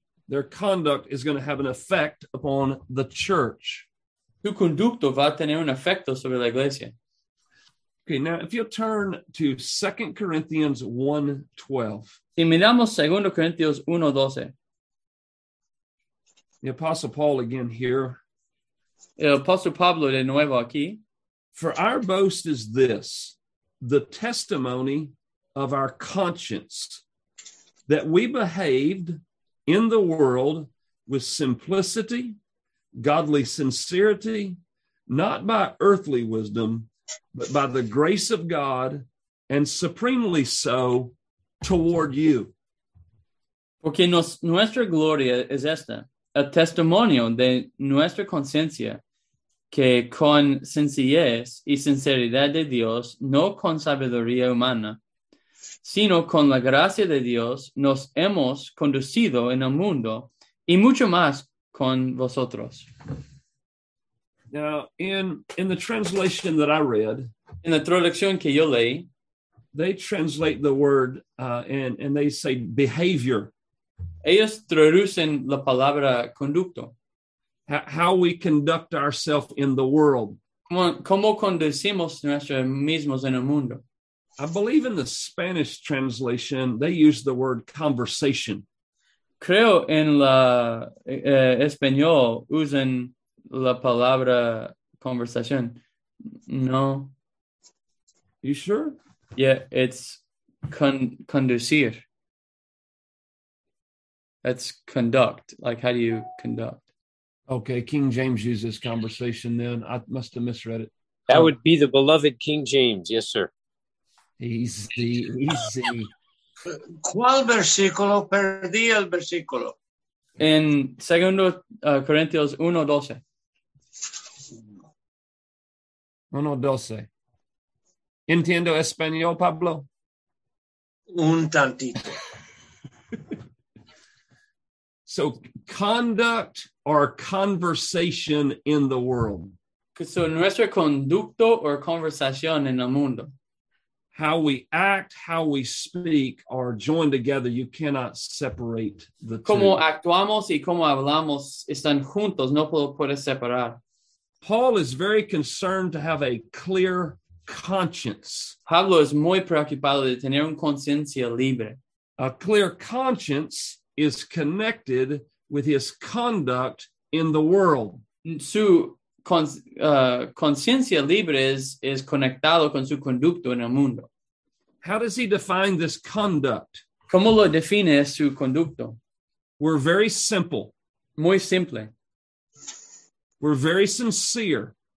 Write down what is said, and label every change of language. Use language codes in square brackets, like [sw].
[en] Their conduct is going to have an effect upon the church. [es] Su conducto va a tener un efecto sobre la iglesia. [en] Okay, now if you turn to 2 Corinthians 1:12. [es] Si miramos 2 Corintios 1:12. [en] The Apostle Paul again here. [es] El Apostle Pablo de nuevo aquí. [en] For our boast is this, the testimony of our conscience, that we behaved in the world with simplicity, godly sincerity, not by earthly wisdom, but by the grace of God, and supremely so toward you. [es] Porque nuestra gloria es esta, el testimonio de nuestra conciencia, que con sencillez y sinceridad de Dios, no con sabiduría humana, sino con la gracia de Dios, nos hemos conducido en el mundo, y mucho más con vosotros. [en] Now, in the translation that I read, [es] in la traducción que yo leí, [en] they translate the word and they say behavior. [es] Ellos traducen la palabra conducto. [en] How we conduct ourselves in the world. [es] ¿Cómo conducimos nosotros mismos en el mundo? [en] I believe in the Spanish translation, they use the word conversation. [es] Creo en la español usan la palabra conversación. [en] No. You sure? Yeah, it's conducir. That's conduct. Like, how do you conduct? Okay, King James uses conversation then. I must have misread it. That would be the beloved King James. Yes, sir. Easy, easy. [es] ¿Cuál versículo? Perdí el versículo. En 2 Corintios 1:12. 1, 12. ¿Entiendo español, Pablo? Un tantito. [en] So, conduct or conversation in the world. [es] So, nuestro conducto or conversación en el mundo. [en] How we act, how we speak are joined together. You cannot separate the two. [es] Como actuamos y como hablamos están juntos. No puedo separar. [en] Paul is very concerned to have a clear conscience. [es] Pablo es muy preocupado de tener una conciencia libre. [en] A clear conscience is connected with his conduct in the world. [es] Su conciencia libre es conectado con su conducto en el mundo. [en] How does he define this conduct? [es] ¿Cómo lo define su conducto? [en] We're very simple. [es] Muy simple. [en] We're very sincere.